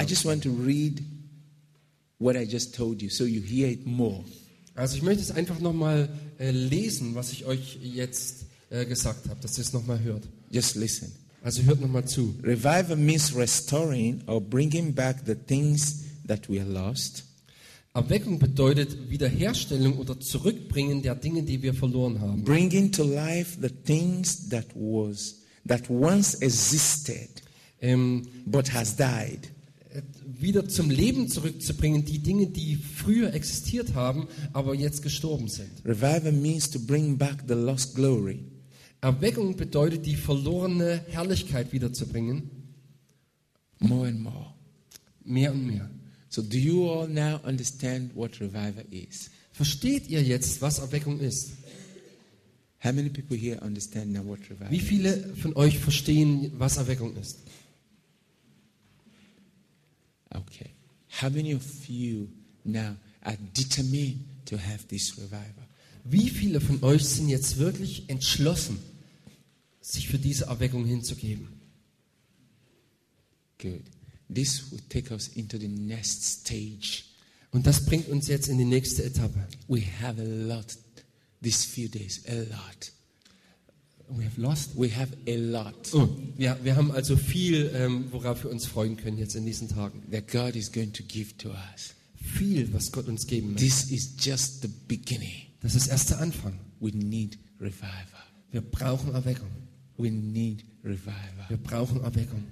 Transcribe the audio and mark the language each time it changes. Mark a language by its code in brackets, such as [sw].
[en] I just want to read what I just told you, so you hear it more. [de] Also ich möchte es einfach nochmal lesen, was ich euch jetzt gesagt habe, dass ihr es nochmal hört. [en] Just listen. [de] Also hört nochmal zu. [en] Revival means restoring or bringing back the things that we lost. [de] Erweckung bedeutet Wiederherstellung oder Zurückbringen der Dinge, die wir verloren haben. [en] Bringing to life the things that was, that once existed, but has died. [de] Wieder zum Leben zurückzubringen die Dinge, die früher existiert haben, aber jetzt gestorben sind. [en] Revival means to bring back the lost glory. [de] Erweckung bedeutet, die verlorene Herrlichkeit wiederzubringen. [en] More and more. [de] Mehr und mehr. [en] So do you all now understand what revival is? [de] Versteht ihr jetzt, was Erweckung ist? [en] How many people here understand now what revival is? [de] Wie viele von euch verstehen, was Erweckung ist? [en] Okay. How many of you now are determined to have this revival? [de] Wie viele von euch sind jetzt wirklich entschlossen, sich für diese Erweckung hinzugeben? [en] Good. This will take us into the next stage. [de] Und das bringt uns jetzt in die nächste Etappe. [en] We have a lot these few days, a lot. We have lost. We have a lot. [de] Oh, ja, wir haben also viel, worauf wir uns freuen können jetzt in diesen Tagen. [en] That God is going to give to us. [de] Viel, was Gott uns geben möchte. [en] This is just the beginning. [de] Das ist erst der Anfang. [en] We need revival. [de] Wir brauchen Erweckung. [en] We need revival. [de] Wir brauchen Erweckung.